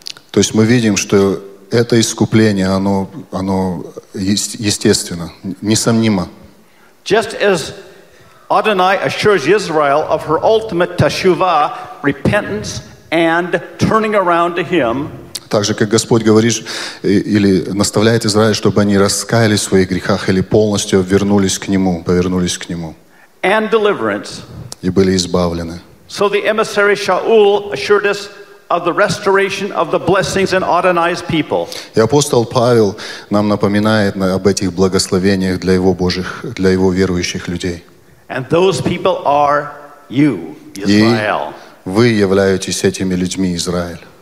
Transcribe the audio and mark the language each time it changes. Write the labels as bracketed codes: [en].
[ru] То есть мы видим, что это искупление, оно естественно, несомнимо. [en] Just as Adonai assures Israel of her ultimate teshuvah, repentance and turning around to Him. [ru] Также, как Господь говорит или наставляет Израиль, чтобы они раскаялись в своих грехах или полностью вернулись к Нему, повернулись к Нему. [en] And deliverance. [ru] И были избавлены. [en] So the emissary Shaul assured us of the restoration of the blessings in Adonai's people. [ru] И апостол Павел нам напоминает об этих благословениях для его Божьих, для его верующих людей. [en] And those people are you, Israel. [ru] И вы являетесь этими людьми, Израиль.